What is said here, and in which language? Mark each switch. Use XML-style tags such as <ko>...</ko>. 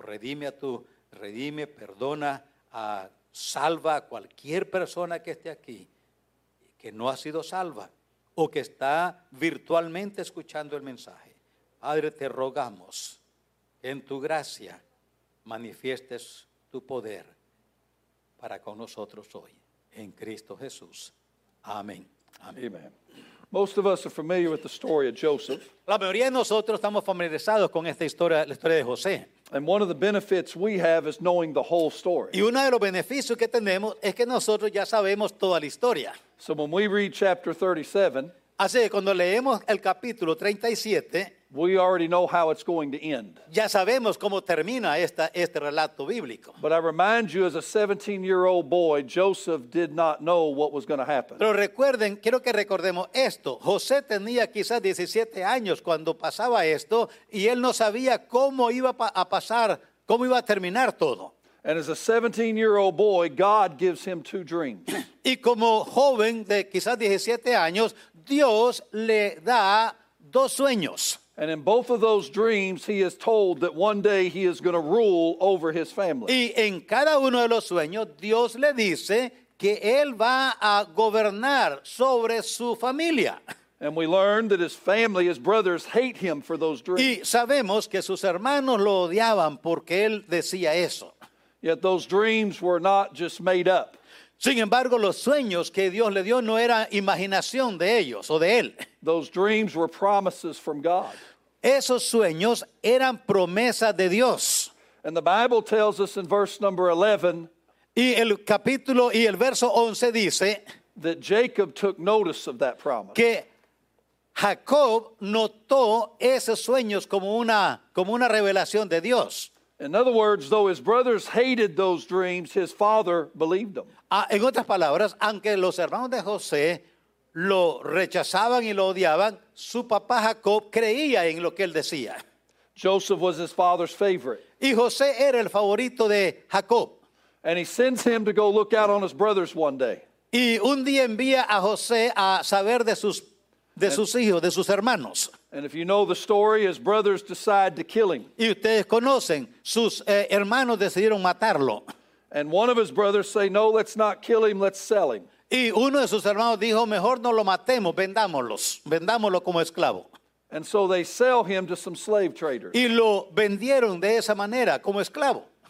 <es>Redime, perdona, salva a cualquier persona que esté aquí, que no ha sido salva o que está virtualmente escuchando el mensaje. Padre, te rogamos, en tu gracia manifiestes tu poder para con nosotros hoy. en Cristo Jesús. Amén. Amen. Amen.</es> <en>Most of us are familiar with the story of Joseph.</en> <es>La mayoría de nosotros estamos familiarizados con esta historia, la historia de José.</es> <en>And one of the benefits we have is knowing the whole story.</en> <es>Y uno de los beneficios que tenemos es que nosotros ya sabemos toda la historia.</es> <en>So when we read chapter 37,</en> <es>así que cuando leemos el capítulo 37,</es> <en>we already know how it's going to end.</en> <es>Ya sabemos cómo termina esta, este relato bíblico.</es> <en>But I remind you, as a 17-year-old boy, Joseph did not know what was going to happen.</en> <es>Pero recuerden, quiero que recordemos esto. José tenía quizás 17 años cuando pasaba esto, y él no sabía cómo iba a pasar, cómo iba a terminar todo.</es> <en>And as a 17-year-old boy, God gives him two dreams.</en> <es>Y como joven de quizás 17 años, Dios le da dos sueños.</es> <en>And in both of those dreams, he is told that one day he is going to rule over his family.</en> <es>Y en cada uno de los sueños, Dios le dice que él va a gobernar sobre su familia.</es> <en>And we learn that his family, his brothers, hate him for those dreams.</en> <es>Y sabemos que sus hermanos lo odiaban porque él decía eso.</es> <en>Yet those dreams were not just made up.</en> <es>Sin embargo, los sueños que Dios le dio no era imaginación de ellos o de él.</es> <en>Those dreams were promises from God.</en> <es>Esos sueños eran promesa de Dios.</es> <en>And the Bible tells us in verse number 11.</en> <es>Y el capítulo y el verso 11 dice.</es> <en>That Jacob took notice of that promise.</en> <es>Que Jacob notó esos sueños como una revelación de Dios.</es> <en>In other words, though his brothers hated those dreams, his father believed them.</en> <es>En otras palabras, aunque los hermanos de José lo rechazaban y lo odiaban, su papá Jacob creía en lo que él decía.</es> <en>Joseph was his father's favorite.</en> <es>Y José era el favorito de Jacob.</es> <en>And he sends him to go look out on his brothers one day.</en> <es>Y un día envía a José a saber de sus hijos, de sus hermanos.</es> <en>And if you know the story, his brothers decide to kill him.</en> <es>Y ustedes conocen, sus hermanos decidieron matarlo.</es> <en>And one of his brothers say, no, let's not kill him, let's sell him.</en> <es>Y uno de sus hermanos dijo, mejor no lo matemos, vendámoslo como esclavo.</es> <en>And so they sell him to some slave traders.</en> <es>Y lo vendieron de esa manera, como esclavo.</es>